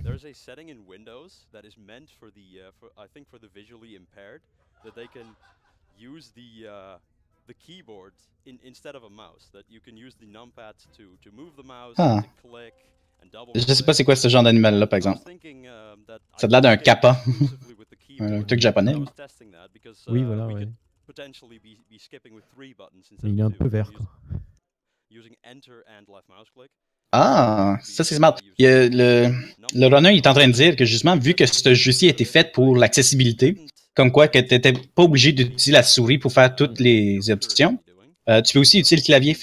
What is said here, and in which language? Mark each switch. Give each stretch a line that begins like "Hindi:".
English: There's a setting in Windows that is meant for the, I think for the visually impaired, that they can use the keyboard instead of a mouse. That you can use the numpad to move the mouse, to click and double.
French: Je sais pas c'est quoi ce genre d'animal là par exemple. Thinking, ça a l'air d'un kappa, un truc japonais. Because, oui voilà. Ouais.
English: Potentially be skipping with three buttons instead.
French: Mais il est un peu vert quoi.
English: Using enter and left mouse click.
French: Ah, ça c'est smart. Le runner il est en train de dire que justement, vu que ce jeu-ci a été fait pour l'accessibilité, comme quoi que tu n'étais pas obligé d'utiliser la souris pour faire toutes les options, tu peux aussi utiliser le clavier.